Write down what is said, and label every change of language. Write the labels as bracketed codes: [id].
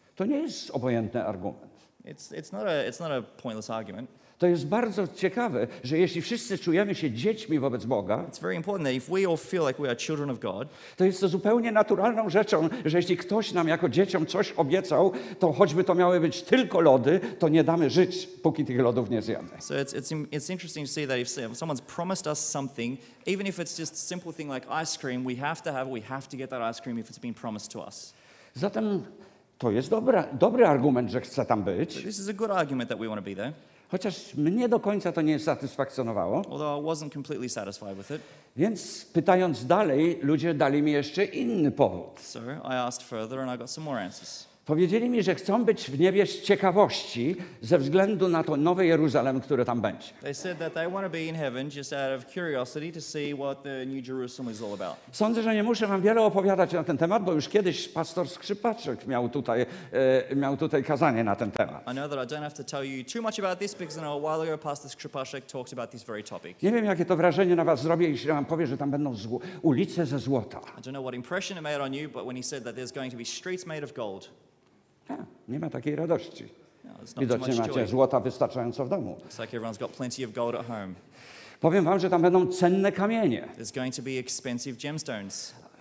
[pl] To nie jest obojętny argument. [en] It's not a pointless argument. [pl] To jest bardzo ciekawe, że jeśli wszyscy czujemy się dziećmi wobec Boga, [en] it's very important that if we all feel like we are children of God, [pl] to jest to zupełnie naturalną rzeczą, że jeśli ktoś nam jako dzieciom coś obiecał, to choćby to miały być tylko lody, to nie damy żyć, póki tych lodów nie zjemy. [en] So it's interesting to see that if someone's promised us something, even if it's just a simple thing like ice cream, we have to get that ice cream if it's been promised to us. [pl] Zatem to jest dobry argument, że chcę tam być. [en] This is a good argument that we want to be there. [pl] Chociaż mnie do końca to nie satysfakcjonowało. [en] Although I wasn't completely satisfied with it. [pl] Więc pytając dalej, ludzie dali mi jeszcze inny powód. [en] So I asked further and I got some more answers. [pl] Powiedzieli mi, że chcą być w niebie z ciekawości ze względu na to nowe Jeruzalem, które tam będzie. [en] They said that they want to be in heaven just out of curiosity to see what the new Jerusalem is all about. [pl] Sądzę, że nie muszę wam wiele opowiadać na ten temat, bo już kiedyś pastor Skrzypaczek miał tutaj kazanie na ten temat. [en] I know that I don't have to tell you too much about this because a while ago pastor Skrzypaczek talked about this very topic. [pl] Nie wiem, jakie to wrażenie na was zrobi, jeśli wam powie, że tam będą ulice ze złota. [en] I don't know what impression it made on you, but when he said that there's going to be streets made of gold. [pl] Nie ma takiej radości. No, widocznie macie złota wystarczająco w domu. [en] It's like everyone's got plenty of gold at home. [pl] Powiem wam, że tam będą cenne kamienie. [en] There's going to be expensive gemstones.